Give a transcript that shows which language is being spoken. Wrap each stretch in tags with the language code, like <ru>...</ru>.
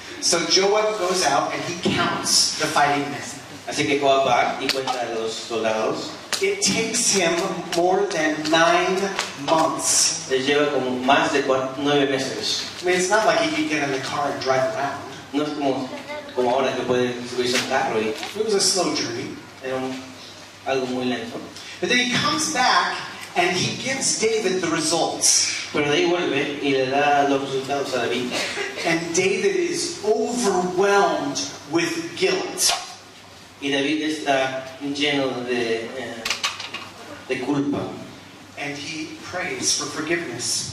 <en>So Joab goes out and he counts the fighting men.</en> <es>Así que Joab va y cuenta a los soldados.</es> <en>It takes him more than 9 months.</en> <es>Le lleva como más de 9 meses.</es> <en>I mean, it's not like he could get in the car and drive around.</en> <es>No es como ahora que puede subirse un carro y.</es> <en>It was a slow journey.</en> <es>Era algo muy lento.</es> <en>But then he comes back and he gives David the results.</en> <es>Pero de ahí vuelve y le da los resultados a David.</es> <en>And David is overwhelmed with guilt.</en> <es>Y David está lleno de culpa.</es> <en>And he prays for forgiveness.</en>